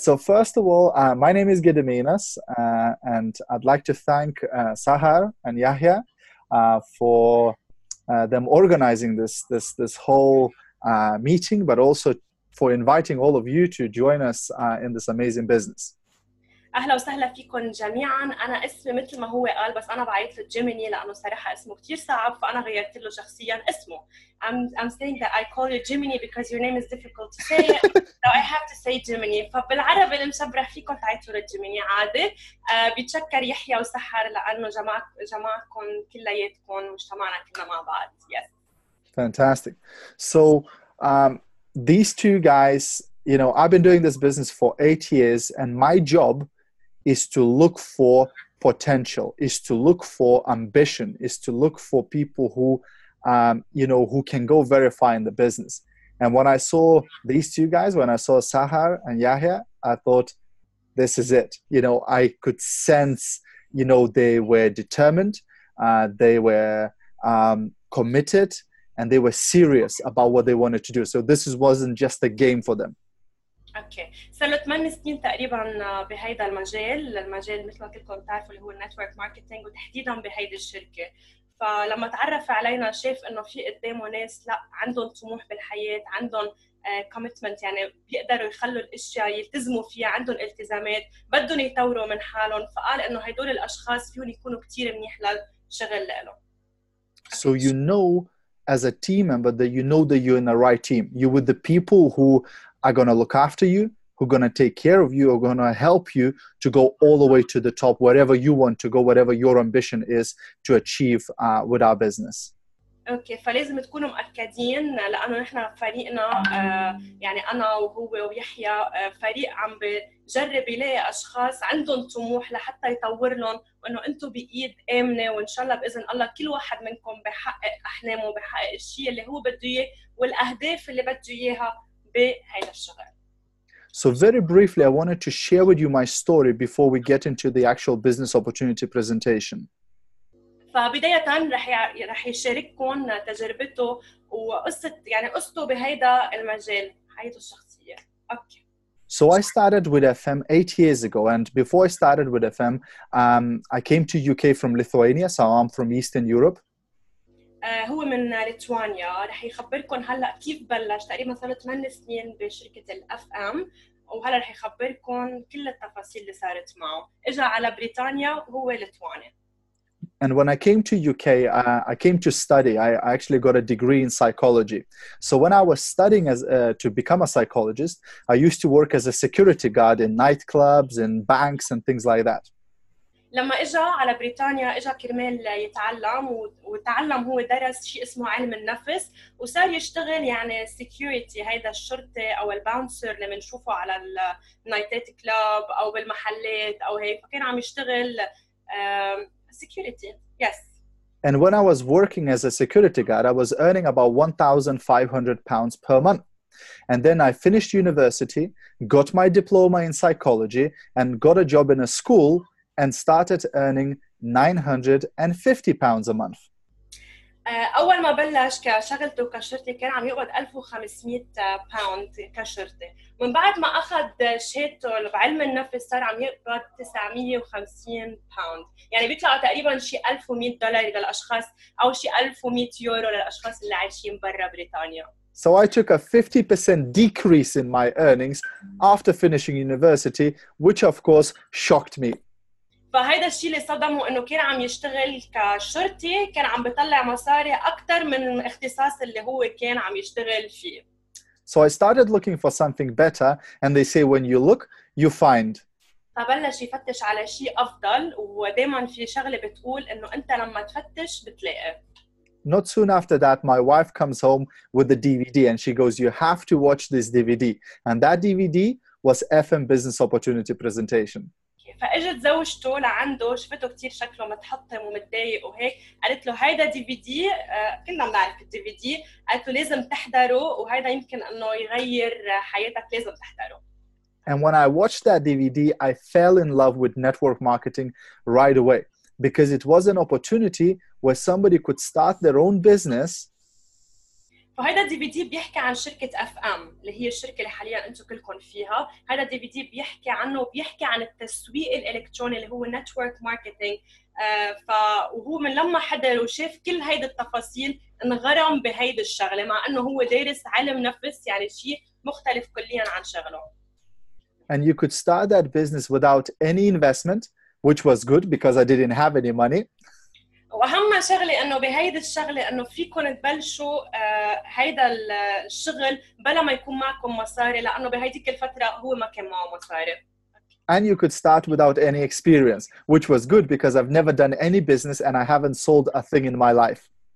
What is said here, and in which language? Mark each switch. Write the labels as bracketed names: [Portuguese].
[English] So first of all, my name is Gediminas, and I'd like to thank Sahar and Yahya for them organizing this whole meeting, but also for inviting all of you to join us in this amazing business. [Arabic] اهلا وسهلا فيكم جميعا. انا اسمي مثل ما هو قال بس انا بعيط في جيميني لانه صراحه اسمه كثير صعب فانا غيرت له شخصيا اسمه. [English] I'm saying that I call you Gemini because your name is difficult to say. So I have to say Gemini. [Arabic] فبالعربي المشبرح فيكم تعيطوا لجيميني عادي. بتشكر يحيى وسحر لانه جمعكم كلياتكم واجتمعنا كلنا مع بعض. [English] Yes. Fantastic. So these two guys, you know, I've been doing this business for 8 years and my job is to look for potential, is to look for ambition, is to look for people who, you know, who can go very far in the business. And when I saw these two guys, when I saw Sahar and Yahya, I thought, this is it. You know, I could sense, you know, they were determined, they were committed, and they were serious about what they wanted to do. So this wasn't just a game for them. [Arabic] اوكي صار له 8 سنين تقريبا بهيدا المجال مثل ما كلكم بتعرفوا اللي هو النتورك ماركتينج وتحديدا بهيدي الشركه. فلما تعرف علينا شاف انه في قدامه ناس لا عندهم طموح بالحياه, عندهم كوميتمنت, يعني بيقدروا يخلوا الاشياء يلتزموا فيها, عندهم التزامات بدهم يطوروا من حالهم, فقال انه هدول الاشخاص فيهم يكونوا كثير منيح للشغل له. [English] So you know as a team member that you know that you're in the right team, you're with the people who are going to look after you, who are going to take care of you, who are going to help you to go all the way to the top, wherever you want to go, whatever your ambition is to achieve with our business. [Arabic] Okay, فلازم تكونوا مأكدين لأنه نحن فريقنا, يعني أنا وهو ويحيى فريق عم بجرب يلاقي أشخاص عندهم طموح لحتى يطور لهم, وأنه أنتوا بإيد آمنة, وإن شاء الله بإذن الله كل واحد منكم بحقق أحلامه, بحقق الشيء اللي هو بده إياه والأهداف اللي بده إياها. [English] So very briefly, I wanted to share with you my story before we get into the actual business opportunity presentation. [Arabic] فبداية رح يشارككم تجربته وقصة يعني قصته بهيدا المجال حياته الشخصية. [English] Okay. So I started with FM 8 years ago, and before I started with FM, I came to UK from Lithuania, so I'm from Eastern Europe. [Arabic] هو من ليتوانيا رح يخبركم هلا كيف بلش تقريبا صار له 8 سنين بشركه الاف ام وهلا رح يخبركم كل التفاصيل اللي صارت معه اجى على بريطانيا وهو ليتواني. [English] And when I came to UK, I came to study. I actually got a degree in psychology. So when I was studying as to become a psychologist, I used to work as a security guard in nightclubs and banks and things like that. [Arabic] لما اجى على بريطانيا اجى كرمال يتعلم وتعلم هو درس شيء اسمه علم النفس وصار يشتغل يعني سيكيورتي هيدا الشرطه او الباونسر اللي بنشوفه على النايتات كلاب او بالمحلات او هيك فكان عم يشتغل سيكيورتي. [English] Yes. And when I was working as a security guard, I was earning about 1500 pounds per month. And then I finished university, got my diploma in psychology and got a job in a school and started earning 950 pounds a month. [Arabic] اول ما بلش كشغلته كشرطي كان عم يقبض 1500 باوند كشرطي. من بعد ما اخذ شهادته بعلم النفس صار عم يقبض 950 باوند. يعني بيطلع تقريبا شيء 1100 دولار للاشخاص او شيء 1100 يورو للاشخاص اللي عايشين برا بريطانيا. [English] So I took a 50% decrease in my earnings after finishing university, which of course shocked me. [Arabic] فهيدا الشيء اللي صدمه انه كان عم يشتغل كشرطي كان عم بيطلع مصاري اكثر من الاختصاص اللي هو كان عم يشتغل فيه. [English] So I started looking for something better and they say when you look you find. [Arabic] فبلش يفتش على شيء افضل ودائما في شغله بتقول انه انت لما تفتش بتلاقي. [English] Not soon after that, my wife comes home with the DVD and she goes, you have to watch this DVD. And that DVD was FM Business Opportunity Presentation. [Arabic] فاجت زوجته لعنده شفته كثير شكله متحطم ومتضايق وهيك قالت له هيدا دي في دي كلنا بنعرف الدي في دي قالت له لازم تحضره وهيدا يمكن انه يغير حياتك لازم تحضره. [English] And when I watched that DVD I fell in love with network marketing right away because it was an opportunity where somebody could start their own business. [Arabic] فهذا دي في دي بيحكي عن شركة اف ام اللي هي الشركة اللي حاليا انتم كلكم فيها. هذا دي في دي بيحكي عنه وبيحكي عن التسويق الالكتروني اللي هو نتورك ماركتينج. وهو من لما حضر وشاف كل هيدي التفاصيل انغرم بهيدي الشغلة مع انه هو دارس علم نفس يعني شيء مختلف كليا عن شغله. [English] And you could start that business without any investment, which was good because I didn't have any money. [Arabic] واهم شغله انه بهيدي الشغله انه فيكم تبلشوا هيدا الشغل بلا ما يكون معكم مصاري لانه بهيديك الفتره هو ما كان معه مصاري. [English] And you could start without any experience, which was good because I've never done any business and I haven't sold a thing in my life.